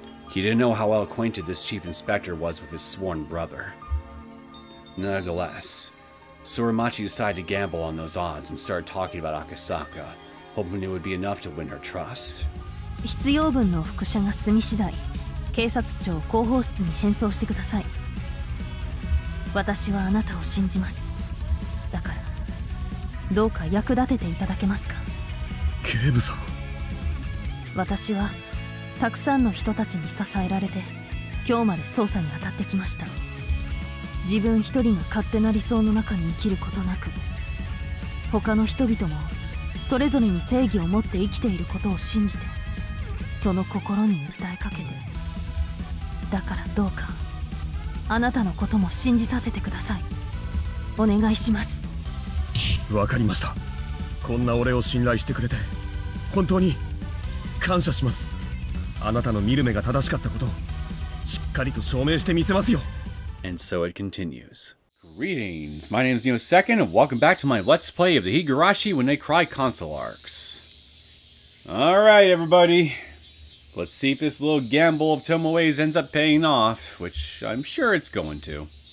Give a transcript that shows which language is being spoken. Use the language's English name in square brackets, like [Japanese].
[English] He didn't know how well acquainted this chief inspector was with his sworn brother. Nevertheless, Soramachi decided to gamble on those odds and started talking about Akasaka, hoping it would be enough to win her trust. [Japanese] 必要分の副者が済み次第、警察庁広報室に返送してください。私はあなたを信じます。だから、どうか役立てていただけますか？警部さん。私は、たくさんの人たちに支えられて今日まで捜査に当たってきました。自分一人が勝手な理想の中に生きることなく、他の人々もそれぞれに正義を持って生きていることを信じて、その心に訴えかけて、だからどうかあなたのことも信じさせてください。お願いします。わかりました。こんな俺を信頼してくれて本当に感謝します。あなたの見る目が正しかったことをしっかりと証明してみせますよ。 [English] And so it continues. Greetings, my name is Neosekken, and welcome back to my Let's Play of the Higurashi When They Cry console arcs. Alright, everybody. Let's see if this little gamble of Tomoe's ends up paying off, which I'm sure it's going to.